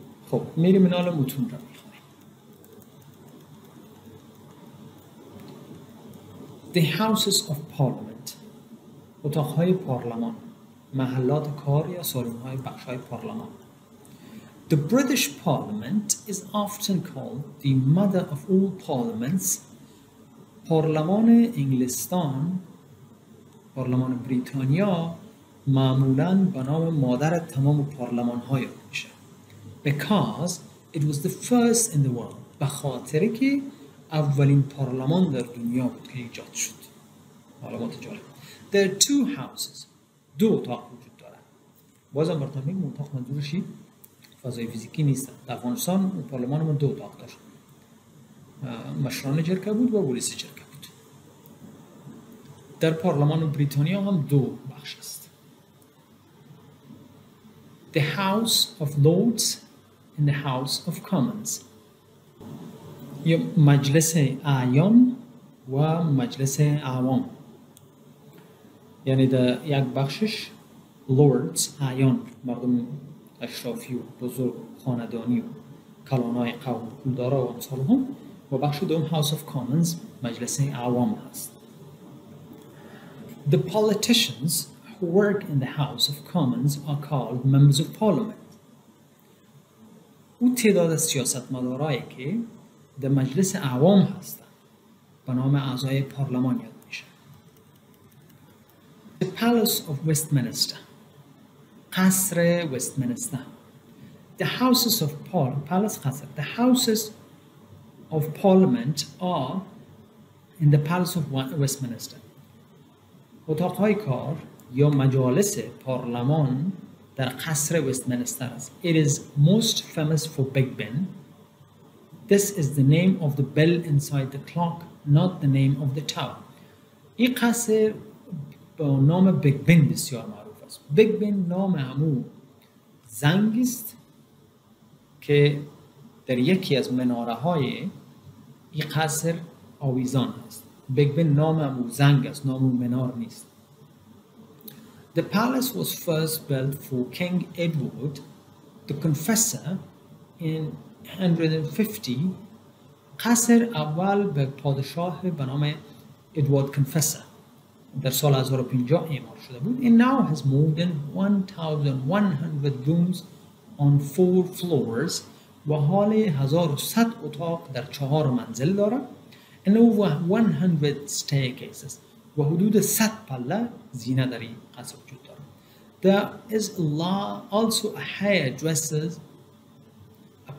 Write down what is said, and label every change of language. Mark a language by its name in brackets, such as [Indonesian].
[Persian] خب میریم اینا رو متون رو [English] The houses of parliament. [Persian] اتاقهای پارلمان. محلات کار یا سالن‌های بخش‌های پارلمان. [English] The British Parliament is often called the mother of all parliaments. [Persian] پارلمان انگلستان، پارلمان بریتانیا معمولاً به نام مادر تمام پارلمان‌ها یاد میشه. [English] Because it was the first in the world. [Persian] به خاطر که اولین پارلمان در دنیا بود که ایجاد شد. معلومات جالب. [English] There are two houses. [Persian] دو اتاق وجود داره. بازم برتون میگم اتاق منظورشی فضای فیزیکی نیست. در افغانستان پارلمان ما دو اتاق داشت. مشران جرگه بود و پلیس جرگه بود. در پارلمان بریتانیا هم دو بخش است. [English] The House of Lords and the House of Commons. [Persian] یا مجلس اعیان و مجلس عوام. یعنی در یک بخشش لوردز اعیان مردم اشرافی و بزرگ خاندانی و کلانای قوم کلدارا و امثال هم و بخش دوم هاوس آف کامنز مجلس عوام هست. [English] The politicians who work in the House of Commons are called members of parliament. [Persian] او تعداد سیاستمدارایی که در مجلس عوام هستند به نام اعضای پارلمان یاد [English] The Palace of Westminster. [Persian] قصر Westminster. [English] The Houses of [Persian] Palace قصر. [English] The Houses of Parliament are in the Palace of Westminster. [Persian] اتاقهای کار یا مجالس پارلمان در قصر Westminster است. [English] It is most famous for Big Ben. This is the name of the bell inside the clock, not the name of the tower. [Persian] این قصر با نام بیگ بن بسیار معروف است. بیگ بن نام همو زنگی است که در یکی از مناره های این قصر آویزان است. بیگ بن نام همو زنگ است، نام او منار نیست. [English] The palace was first built for King Edward the Confessor in 150. [Persian] قصر اول به پادشاه به نام ادوارد کنفسر در سال 1050 اعمار شده بود. [English] And now has more than 1,100 rooms on four floors. [Persian] و حال 1,100 اتاق در چهار منزل داره. [English] And over 100 staircases. [Persian] و حدود 100 پله زینه در این قصر وجود داره. [English] There is also a hairdresser, a